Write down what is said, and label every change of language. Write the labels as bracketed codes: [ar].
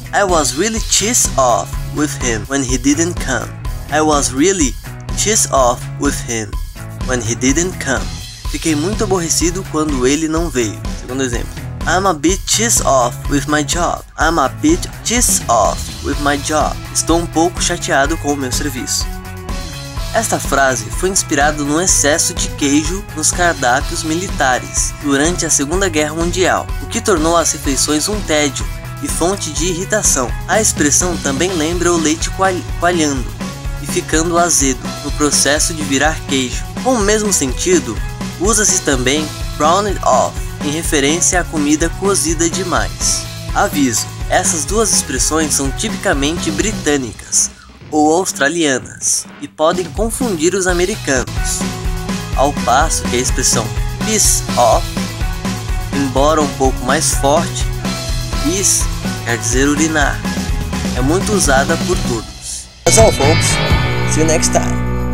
[en] I was really tiss off with him when he didn't come. I was really tiss off with him when he didn't come. [pt] Fiquei muito aborrecido quando ele não veio. Segundo exemplo. [en] I'm a bit tiss off with my job. I'm a bit tiss off with my job. [pt] Estou um pouco chateado com o meu serviço. Esta frase foi inspirada no excesso de queijo nos cardápios militares durante a Segunda Guerra Mundial, o que tornou as refeições um tédio e fonte de irritação. A expressão também lembra o leite coalhando e ficando azedo no processo de virar queijo. Com o mesmo sentido, usa-se também browned off, em referência à comida cozida demais. Aviso, essas duas expressões são tipicamente britânicas ou australianas e podem confundir os americanos, ao passo que a expressão piss off, embora um pouco mais forte, piss quer dizer urinar, é muito usada por todos. [en] That's all folks, see you next time.